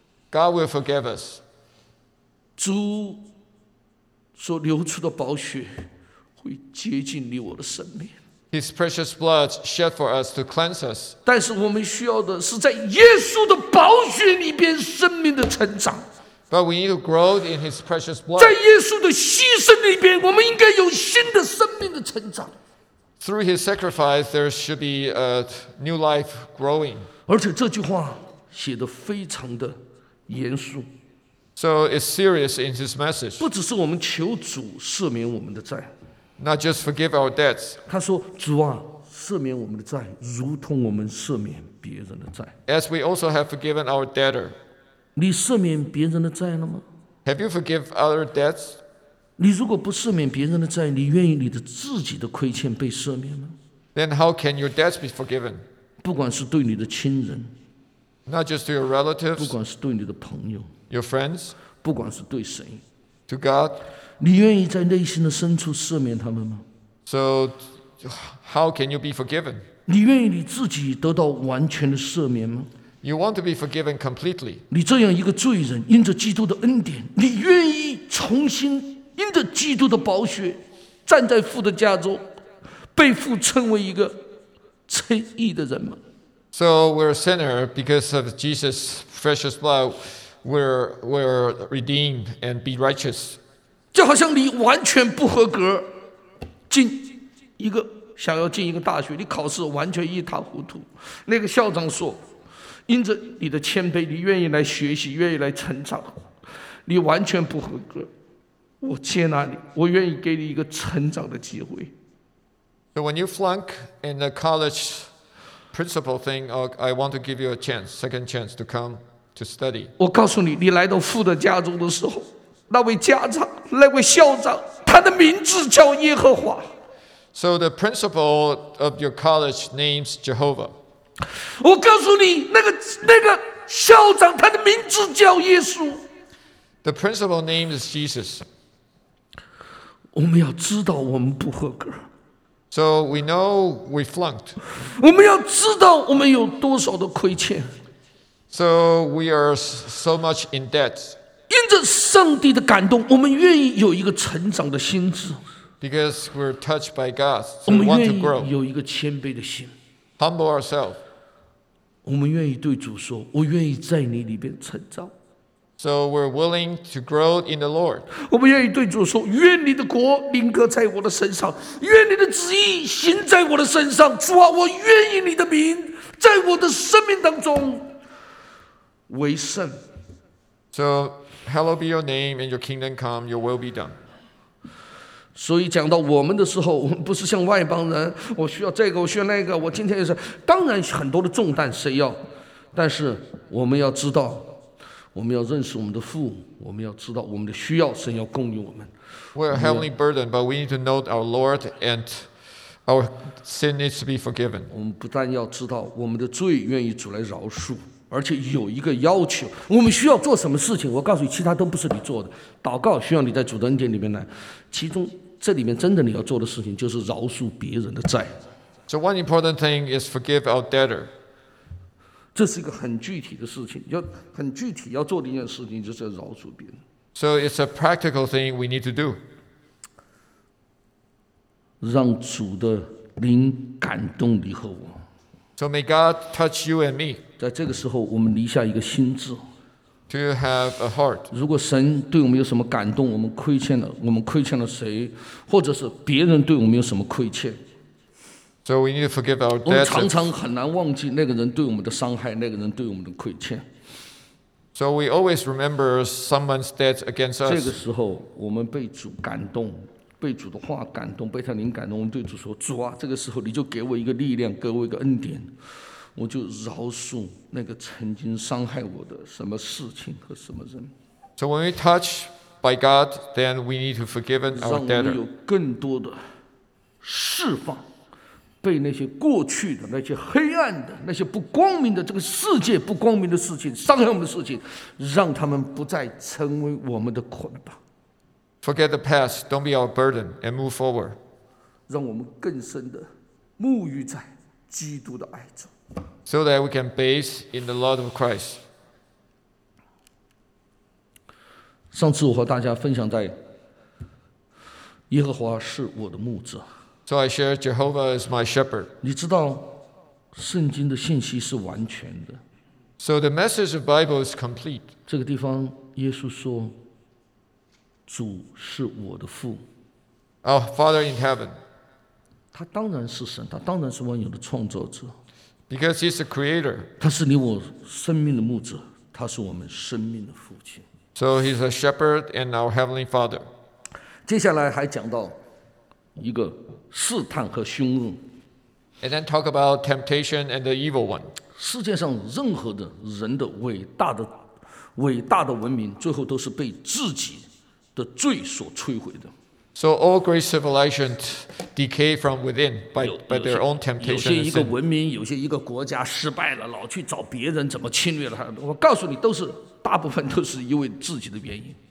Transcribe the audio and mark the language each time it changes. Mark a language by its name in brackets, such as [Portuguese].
[English] God will forgive us. [Chinese] 主。所流出的宝血会洁净你我的生命。 [English] His precious blood shed for us to cleanse us. [Chinese] 但是我们需要的是在耶稣的宝血里边生命的成长。 [English] But we need to grow in His precious blood. [Chinese] 在耶稣的牺牲里边，我们应该有新的生命的成长。 [English] Through His sacrifice, there should be a new life growing. [Chinese] 而且这句话写得非常的严肃。 [English] So it's serious in his message. [Chinese] 不只是我们求主赦免我们的债。 [English] Not just forgive our debts. [Chinese] 他说：“主啊，赦免我们的债，如同我们赦免别人的债。” [English] As we also have forgiven our debtor. [Chinese] 你赦免别人的债了吗？ [English] Have you forgive other debts? [Chinese] 你如果不赦免别人的债，你愿意你的自己的亏欠被赦免吗？ [English] Then how can your debts be forgiven? [Chinese] 不管是对你的亲人， [English] Not just to your relatives. [Chinese] 不管是对你的朋友。 [English] Your friends, [Chinese] 不管是对谁 [English] ，to God, [Chinese] 你愿意在内心的深处赦免他们吗 [English] ？So, how can you be forgiven? [Chinese] 你愿意你自己得到完全的赦免吗 [English] ？You want to be forgiven completely. [Chinese] 你这样一个罪人，因着基督的恩典，你愿意重新因着基督的宝血，站在父的家中，被父称为一个称义的人吗 [English] ？So we're a sinner because of Jesus' precious blood. We're redeemed and be righteous. [Chinese] 就好像你完全不合格进一个想要进一个大学，你考试完全一塌糊涂。那个校长说，因着你的谦卑，你愿意来学习，愿意来成长，你完全不合格。我接纳你，我愿意给你一个成长的机会。 [English] So when you flunk in the college principal thing, I want to give you a chance, second chance to come. To study. [Chinese] 我告诉你，你来到父的家中的时候，那位家长，那位校长，他的名字叫耶和华。 [English] So the principal of your college names Jehovah. [Chinese] 我告诉你，那个校长，他的名字叫耶稣。 [English] The principal name is Jesus. [Chinese] 我们要知道我们不合格。 [English] So we know we flunked. [Chinese] 我们要知道我们有多少的亏欠。 [English] So we are so much in debt. [Chinese] 因着上帝的感动，我们愿意有一个成长的心智。 [English] Because we're touched by God, so we want to grow. [Chinese] 我们愿意有一个谦卑的心。 [English] Humble ourselves. [Chinese] 我们愿意对主说，我愿意在你里边成长。 [English] So we're willing to grow in the Lord. [Chinese] 我们愿意对主说，愿你的国临格在我的身上，愿你的旨意行在我的身上。主啊，我愿意你的名在我的生命当中。为圣 [English] So hallowed be your name and your kingdom come, your will be done. [Chinese] 所以讲到我们的时候，我们不是像外邦人，我需要这个，我需要那个，我今天也是，当然很多的重担谁要，但是我们要知道，我们要认识我们的父，我们要知道我们的需要，神要供应我们。 [English] We're a heavenly burden, but we need to know our Lord and our sin needs to be forgiven. [Chinese] 我们不但要知道我们的罪愿意主来饶恕，而且有一个要求，我们需要做什么事情？我告诉你，其他都不是你做的。祷告需要你在主的恩典里面来，其中这里面真的你要做的事情就是饶恕别人的债。 [English] So one important thing is forgive our debtor. [Chinese] 这是一个很具体的事情，要很具体要做的一件事情就是要饶恕别人。 [English] So it's a practical thing we need to do. [Chinese] 让主的灵感动你和我。 [English] So may God touch you and me. [Chinese] 在这个时候，我们立下一个心志。 [English] To have a heart. [Chinese] 如果神对我们有什么感动，我们亏欠了，我们亏欠了谁，或者是别人对我们有什么亏欠。 [English] So we need to forgive our debtors. [Chinese] 我们常常很难忘记那个人对我们的伤害，那个人对我们的亏欠。 [English] So we always remember someone's debt against us. [Chinese] 这个时候，我们被主感动。被主的话感动，被他灵感动，我们对主说：“主啊，这个时候你就给我一个力量，给我一个恩典，我就饶恕那个曾经伤害我的什么事情和什么人。” [English] So when we touch by God, then we need to forgive our debtor. [Chinese] 让我们有更多的释放，被那些过去的、那些黑暗的、那些不光明的、这个世界不光明的事情、伤害我们的事情，让他们不再成为我们的捆绑。 [English] Forget the past, don't be our burden, and move forward. [Chinese] 让我们更深地沐浴在基督的爱中。 [English] So that we can bathe in the love of Christ. [Chinese] 上次我和大家分享在耶和华是我的牧者。 [English] So I shared Jehovah is my shepherd. [Chinese] 你知道圣经的信息是完全的。 [English] So the message of the Bible is complete. [Chinese] 这个地方耶稣说主是我的父。 [English] Our Father in heaven. [Chinese] 他当然是神，他当然是万有的创造者。 [English] Because he's the creator. [Chinese] 他是你我生命的牧者，他是我们生命的父亲。 [English] So he's a shepherd and our heavenly father. [Chinese] 接下来还讲到一个试探和凶恶。 [English] And then talk about temptation and the evil one. [Chinese] 世界上任何的人的伟大的文明，最后都是被自己的罪所摧毁的。 [English] So all great civilizations decay from within by their own temptation. [Chinese] 有些一个文明，有些一个国家失败了，老去找别人怎么侵略了他。我告诉你，都是大部分都是因为自己的原因。